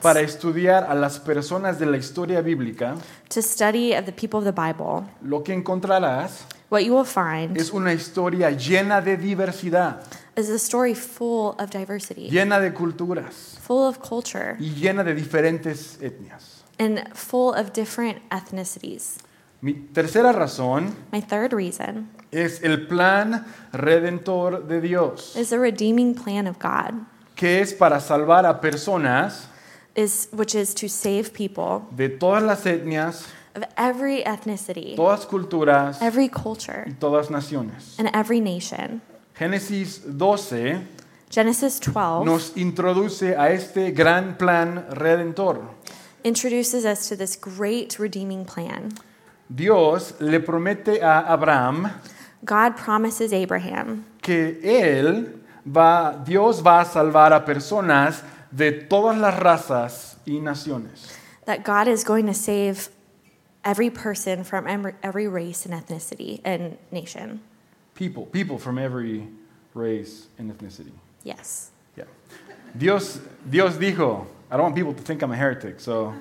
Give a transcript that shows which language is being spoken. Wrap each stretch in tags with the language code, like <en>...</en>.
<es>Para estudiar a las personas de la historia bíblica.</es> <en>To study of the people of the Bible.</en> <es>Lo que encontrarás.</es> <en>What you will find.</en> <es>Es una historia llena de diversidad.</es> <en>Is a story full of diversity.</en> <es>Llena de culturas.</es> <en>Full of culture.</en> <es>Y llena de diferentes etnias.</es> <en>And full of different ethnicities.</en> <es>Mi tercera razón.</es> <en>My third reason.</en> <es>Es el plan redentor de Dios.</es> <en>Is a redeeming plan of God.</en> <es>Que es para salvar a personas.</es> <en>Which is to save people.</en> <es>De todas las etnias.</es> <en>Of every ethnicity.</en> <es>Todas culturas.</es> <en>Every culture.</en> <es>Y todas naciones.</es> <en>And every nation.</en> <es>Génesis 12.</es> <en>Genesis 12.</en> <es>Nos introduce a este gran plan redentor.</es> <en>Introduces us to this great redeeming plan.</en> <es>Dios le promete a Abraham.</es> <en>God promises Abraham.</en> <es>Que él va, Dios va a salvar a personas de todas las razas y naciones.</es> <en>That God is going to save every person from every race and ethnicity and nation. People from every race and ethnicity. Yes. Yeah.</en> <es>Dios dijo,</es> <en>I don't want people to think I'm a heretic, so.</en>